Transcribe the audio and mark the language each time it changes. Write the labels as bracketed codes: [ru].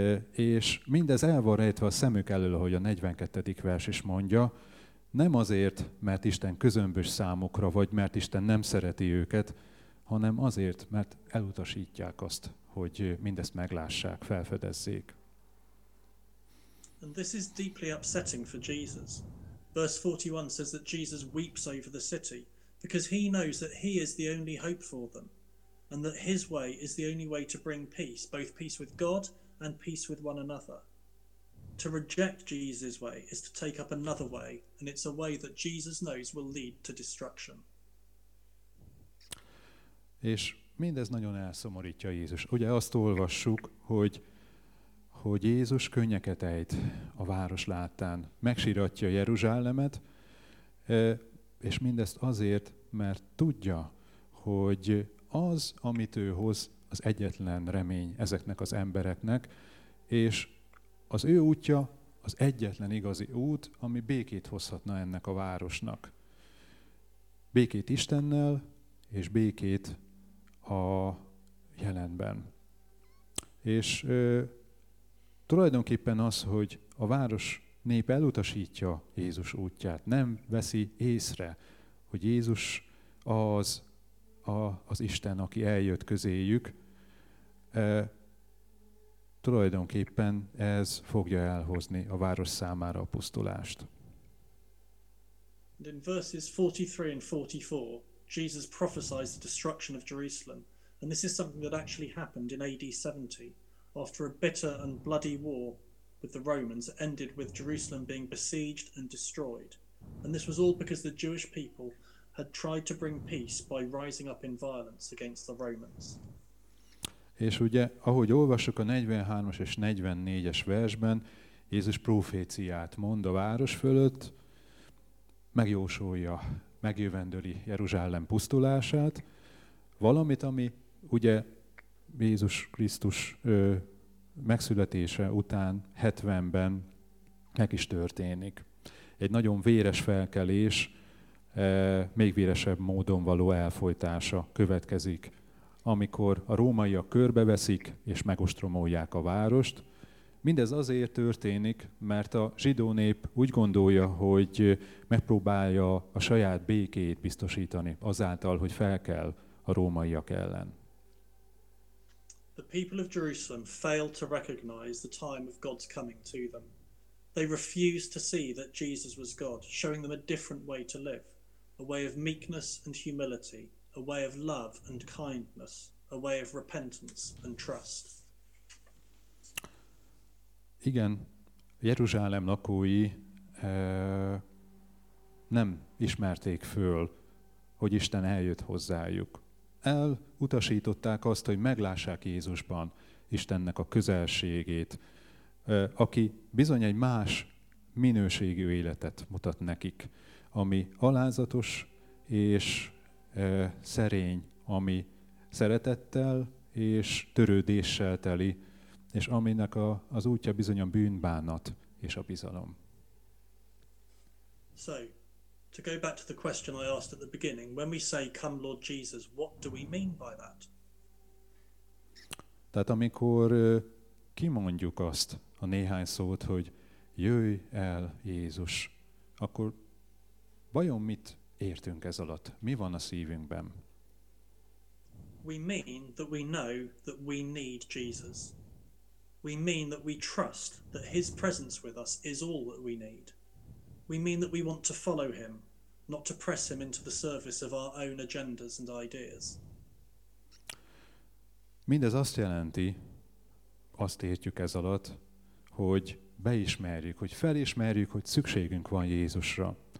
[hu] És mindez el van rejtve a szemük elől, ahogy a 42. vers is mondja, nem azért, mert Isten közömbös számukra, vagy mert Isten nem szereti őket, hanem azért, mert elutasítják azt, hogy mindezt meglássák, felfedezzék. [en] And this is deeply upsetting for Jesus. Verse 41 says that Jesus weeps over the city, because he knows that he is the only hope for them, and that his way is the only way to bring peace, both peace with God and peace with one another. To reject Jesus' way is to take up another way, and it's a way that Jesus knows will lead to destruction. [hu] És mindez nagyon elszomorítja Jézus. Ugye azt olvassuk, hogy Jézus könnyeket ejt a város láttán, megsiratja Jeruzsálemet, és mindezt azért, mert tudja, hogy az, amit ő hoz, az egyetlen remény ezeknek az embereknek, és az ő útja az egyetlen igazi út, ami békét hozhatna ennek a városnak. Békét Istennel, és békét a jelenben. És tulajdonképpen az, hogy a város nép elutasítja Jézus útját, nem veszi észre, hogy Jézus az Isten, aki eljött közéjük, tulajdonképpen ez fogja elhozni a város számára a pusztulást. [en] In verses 43 and 44, Jesus prophesies the destruction of Jerusalem, and this is something that actually happened in AD 70, after a bitter and bloody war with the Romans ended with Jerusalem being besieged and destroyed. And this was all because the Jewish people had tried to bring peace by rising up in violence against the Romans. [hu] És ugye, ahogy olvassuk a 43-as és 44-es versben, Jézus proféciát mond a város fölött, megjósolja, megjövendőli Jeruzsálem pusztulását, valamit, ami ugye Jézus Krisztus megszületése után 70-ben meg is történik. Egy nagyon véres felkelés, még véresebb módon való elfojtása következik, amikor a rómaiak körbeveszik és megostromolják a várost. Mindez azért történik, mert a zsidó nép úgy gondolja, hogy megpróbálja a saját békét biztosítani azáltal, hogy felkel a rómaiak ellen. [en] The people of Jerusalem failed to recognize the time of God's coming to them. They refused to see that Jesus was God, showing them a different way to live, a way of meekness and humility, a way of love and kindness, a way of repentance and trust. [hu] Igen, Jeruzsálem lakói nem ismerték föl, hogy Isten eljött hozzájuk. Elutasították azt, hogy meglássák Jézusban Istennek a közelségét, aki bizony egy más minőségű életet mutat nekik. ami alázatos és szerény, ami szeretettel és törődéssel teli, és aminek az útja bizony a bűnbánat és a bizalom. [en] So, to go back to the question I asked at the beginning, when we say, come Lord Jesus, what do we mean by that? [hu] Tehát amikor kimondjuk azt a néhány szót, hogy jöjj el Jézus, akkor vajon mit értünk ez alatt? Mi van a szívünkben? [en] We mean that we know that we need Jesus. We mean that we trust that his presence with us is all that we need. We mean that we want to follow him, not to press him into the service of our own agendas and ideas. [hu] Mindez azt jelenti, azt értjük ez alatt, hogy beismerjük, hogy felismerjük, hogy szükségünk van Jézusra.